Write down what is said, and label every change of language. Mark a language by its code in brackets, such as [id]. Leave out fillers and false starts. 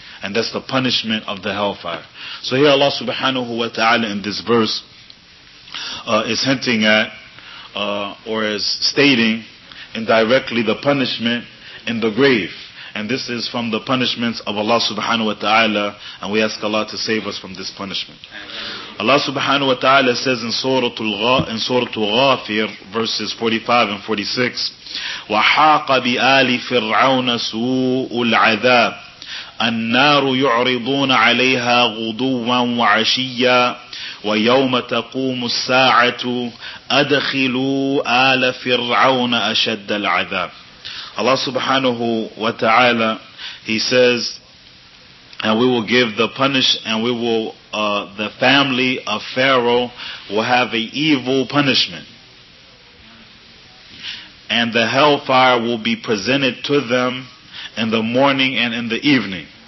[en] And that's the punishment of the hellfire. So here Allah subhanahu wa ta'ala in this verse is hinting at, or is stating indirectly, the punishment in the grave. And this is from the punishments of Allah subhanahu wa ta'ala, and we ask Allah to save us from this punishment. [ar] Allah subhanahu wa ta'ala says in Surah Al-Ghafir, verses 45 and 46, وَحَاقَ بِآلِ فِرْعَوْنَ سُوءُ الْعَذَابِ النار يعرضون عليها غدوا وعشيا ويوم تقوم الساعة أدخلوا آل فرعون أشد العذاب. [en] Allah subhanahu wa ta'ala, he says, and we will give the punish, and we will the family of Pharaoh will have an evil punishment, and the hellfire will be presented to them in the morning and in the evening.